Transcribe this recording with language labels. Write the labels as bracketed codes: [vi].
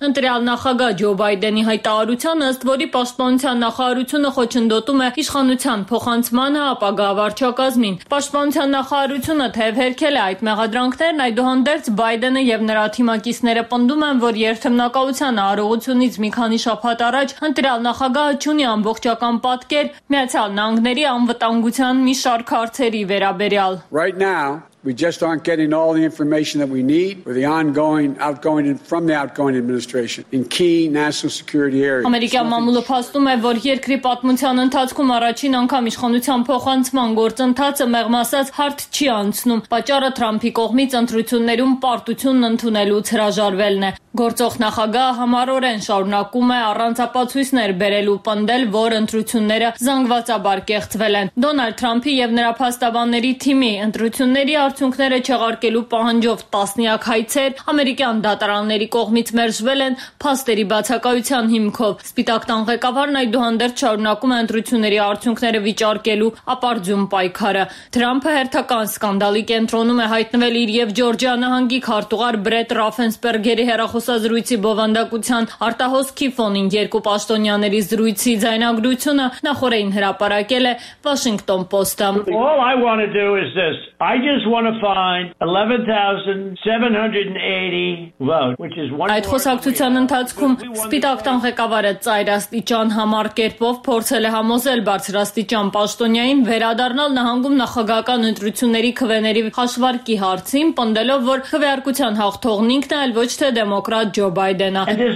[hy] ընտրյալ նախագահ Ջո Բայդենի հայտարարության, ըստ որի պաշտպանության նախարարությունը խոչընդոտում է իշխանության փոխանցմանը ապագա վարչակազմին։ Պաշտպանության նախարարությունը թեև հերքել է այդ մեղադրանքներն, այդուհանդերձ Բայդենը և նրա թիմակիցները պնդում են, որ երթմնակայության առողությունից մի քանի շաբաթ առաջ ընտրյալ նախագահը չունի ամբողջական պատկեր Միացյալ Նահանգների անվտանգության մի շարք հարցերի վերաբերյալ։ [en] We just aren't getting all the information that we need with the ongoing, outgoing, and from the outgoing administration in key national security areas. [hy] Ամերիկյան մամուլը փաստում է, որ երկրի պատմության ընթացքում առաջին անգամ իշխանության փոխանցման գործընթացը մեղմասած հարթ չի անցնում, պատճառը Թրամփի կողմից ընտրություններում պարտությունն ընդունելուց հրաժարվելն է։ Գործող նախագահը համառորեն շարունակում է առանց ապացույցներ բերելու պնդել, որ ընտրությունները զանգվածաբար կեղծվել են։ Դոնալդ Թրամփի և նրա փաստաբանների թիմի ընտրությունների արդյունքները չեղարկելու պահանջով տասնյակ հայցեր ամերիկյան դատարանների կողմից մերժվել են փաստերի բացակայության հիմքով։ Սպիտակ տան ղեկավարն այդուհանդերձ շարունակում է ընտրությունների արդյունքները վիճարկելու ապարդյուն պայքարը։ Թրամփը հերթական սկանդալի կենտրոնում է հայտնվել իր և Ջորջիա նահանգի քարտուղար Բրետ Ռաֆենսպերգերի հեռախոսության զորամասազրույցի բովանդակության արտահոսքի ֆոնին երկու պաշտոնյաների զրույցի ձայնագրությունը նախորդին հրապարակել է Washington Post-ը. [en] All I want to do is this. I just want to find 11,780 votes, which is one. [hy] Այդ խոսակցության ընթացքում Սպիտակ տան ղեկավարը ծայրաստիճան համարկերպով փորձել է համոզել բարձրաստիճան պաշտոնյային վերադառնալ նահանգում նախագահական ընտրությունների քվեների հաշվարկի հարցին, պնդելով, որ քվեարկության հաղթողն ինքն է, այլ ոչ թե դեմոկրատ Ջո Բայդենը։